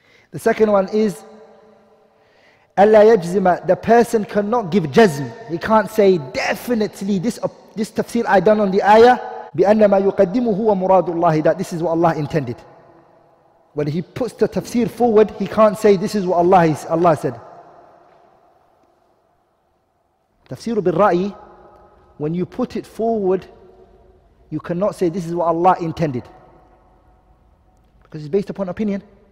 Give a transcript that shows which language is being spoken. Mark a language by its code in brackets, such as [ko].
[en] The second one is Allah yajzima. The person cannot give jazm. He can't say definitely this tafsir I done on the ayah. [ar] بأنما يقدمه هو مراد الله. [en] That this is what Allah intended. When he puts the tafsir forward, he can't say this is what Allah said. Tafsir بالرأي. When you put it forward, you cannot say this is what Allah intended, because it's based upon opinion.